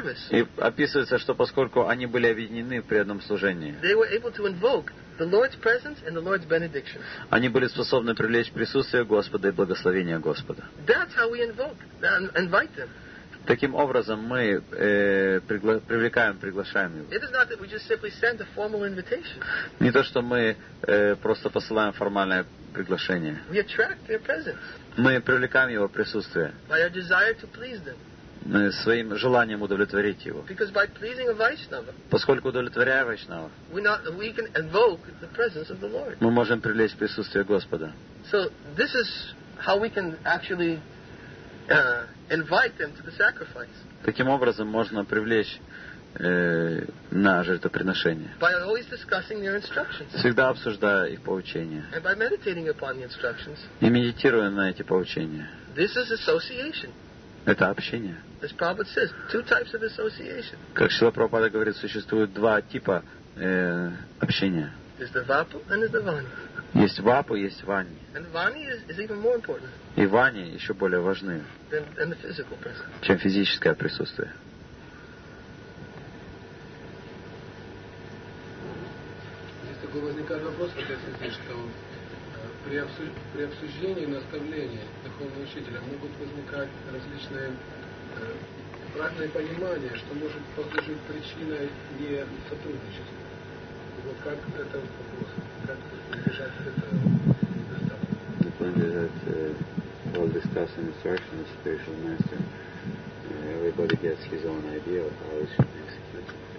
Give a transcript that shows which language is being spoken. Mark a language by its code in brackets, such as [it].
[ru] И описывается, что поскольку они были объединены в преданном служении, [en] they were able to invoke the Lord's presence and the Lord's benediction. [ru] Они были способны привлечь присутствие Господа и благословение Господа. [en] That's how we invite them. [ru] Таким образом мы приглашаем его. [en] It is not that we just simply send a formal invitation. [ru] Не то, что мы просто посылаем формальное приглашение. [en] We attract their presence. [ru] Мы привлекаем его присутствие. [en] By our desire to please them. [ru] своим желанием удовлетворить его. [en] Because by pleasing a Vaishnava, [ru] поскольку удовлетворяя Вайшнава, [en] we can invoke the presence of the Lord. [ru] Мы можем привлечь присутствие Господа. [en] So this is how we can actually invite them to the sacrifice. [ru] Таким образом можно привлечь на жертвоприношение. [en] By always discussing their instructions. [ru] Всегда обсуждая их поучения. [en] And by meditating upon the instructions. [ru] И медитируя на эти поучения. [en] This is association. [ru] Это общение. [en] As Prabhupada says, two types of association. [ru] Как Шрила Прабхупада говорит, существует два типа общения. [en] There's the Vapu and there's the Vani. [ru] Есть Вапу, есть Вани. [en] And Vani is even more important. [ru] И Вани еще более важны, [en] than the physical presence. [ru] Чем физическое присутствие. Здесь такой возникает вопрос, вот я слышу, что при обсуждении и наставлении духовного учителя могут возникать различные разные понимания, что может послужить причиной не сотрудничества. И вот как это вопрос, как избежать этого недостатка? [en] While discussing instruction with spiritual master, everybody gets his own idea of how it should be executed.